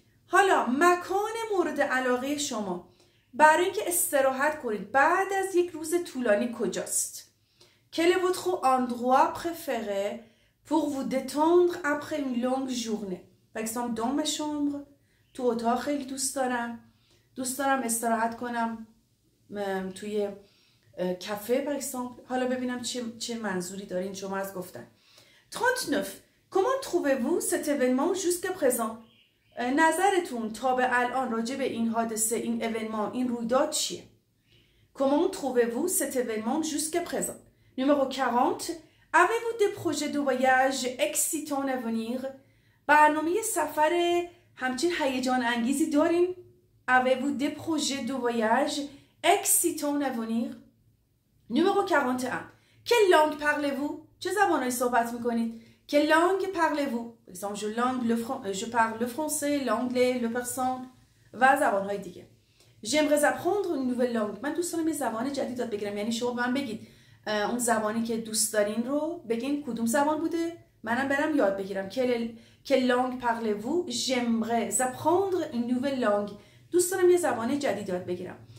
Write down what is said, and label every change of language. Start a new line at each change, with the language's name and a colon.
Persian: حالا مکان مورد علاقه شما برای اینکه استراحت کنید بعد از یک روز طولانی کجاست؟
French: Quel est votre endroit préféré pour vous détendre après une longue journée? Par exemple, dans ma chambre,
Persian: تو اتاق خیلی دوست دارم. دوست دارم استراحت کنم توی کافه par exemple. حالا ببینم چه منظوری دارین شما از گفتن. 39.
French: Comment trouvez-vous cet événement jusqu'à présent?
Persian: نظرتون تا به الان راجع به این حادثه، این événement، این رویداد چیه؟
French: Comment trouvez-vous cet événement jusqu'à présent? Numéro 40. Avez-vous des projets de voyage excitants à venir?
Persian: برنامه سفر همچین هیجان انگیزی دارین؟
French: Avez-vous des projets de voyage excitants à venir? Numéro 41. Quelle langue parlez-vous?
Persian: چه زبانهایی صحبت میکنید؟
French: Quelle langue parlez-vous? Par exemple, je parle le français, l'anglais, le persan
Persian: و زبانهای دیگه.
French: J'aimerais apprendre une nouvelle langue.
Persian: من دوست دارم یه زبان جدید یاد بگیرم. یعنی شما به من بگید اون زبانی که دوست دارین رو بگین کدوم زبان بوده؟ منم برم یاد بگیرم.
French: Quelle langue parlez-vous? J'aimerais apprendre une nouvelle langue.
Persian: دوست دارم یه زبان جدید یاد بگیرم.